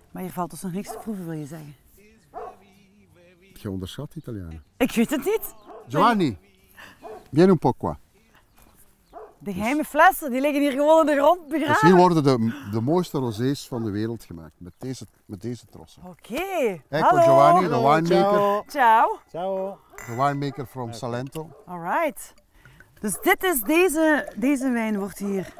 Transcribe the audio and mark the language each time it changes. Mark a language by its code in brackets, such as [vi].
[nl] Maar hier valt dus nog niks te proeven, wil je zeggen. Je onderschat Italianen. Ik weet het niet. [it] Giovanni, vieni un po' qua. [nl] De geheime flessen, die liggen hier gewoon in de grond begraven. Dus hier worden de mooiste rosés van de wereld gemaakt, met deze trossen. Oké. Okay. Hallo. Giovanni, de winemaker. [it] Ciao. Ciao. [en] De winemaker from Salento. All right. [nl] Dus dit is deze wijn wordt hier.